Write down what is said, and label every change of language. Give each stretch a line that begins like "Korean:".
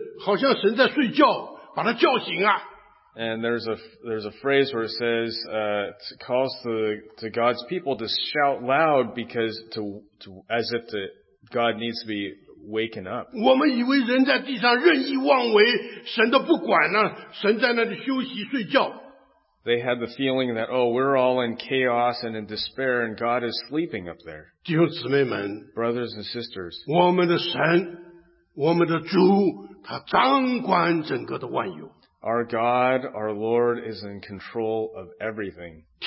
Chinese: 他说神的儿女们你们大声呼喊，好像神在睡觉，把他叫醒啊。
English: And there's a phrase where it says, calls to God's people to shout loud because to as if to God needs to be waken up.
Chinese: 我们以为人在地上任意妄为，神都不管了，神在那里休息睡觉。
English: They had the feeling that, oh, we're all in chaos and in despair, and God is sleeping up there.
Chinese: 弟兄姊妹们,
English: brothers and sisters,
Chinese: 我们的神，我们的主，他掌管整个的万有。
English: Our God, our Lord, is in control of everything.